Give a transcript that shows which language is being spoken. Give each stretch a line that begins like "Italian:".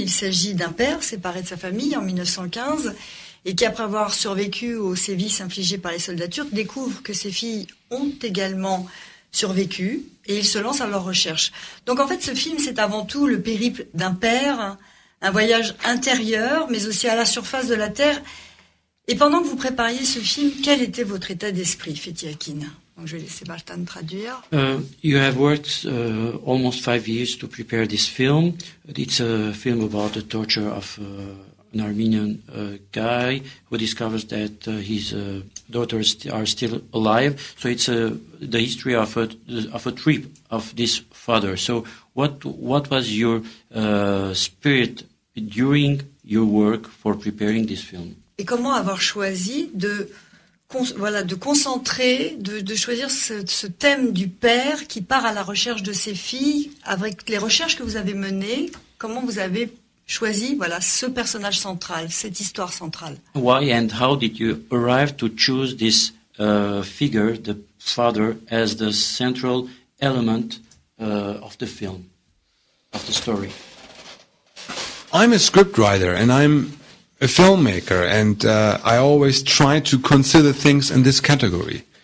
French: Il s'agit d'un père séparé de sa famille en 1915 et qui, après avoir survécu aux sévices infligés par les soldats turcs, découvre que ses filles ont également survécu et il se lance à leur recherche. Donc en fait, ce film, c'est avant tout le périple d'un père, un voyage intérieur, mais aussi à la surface de la terre. Et pendant que vous prépariez ce film, quel était votre état d'esprit, Fethiye Akın? Donc je vais laisser Vartan traduire.
English: You have worked almost 5 years to prepare this film. It's a film about the torture of an Armenian guy who discovers that his daughters are still alive. So it's the history of a trip of this father. So what was your spirit during your work for preparing this film?
French: Et comment avoir choisi de de choisir ce thème du père qui part à la recherche de ses filles. Avec les recherches que vous avez menées, comment vous avez choisi ce personnage central, cette histoire centrale?
English: Why and how did you arrive to choose this figure, the father, as the central element of the film, of the story? I'm a scriptwriter and I'm a filmmaker, and I always try to consider things in this category.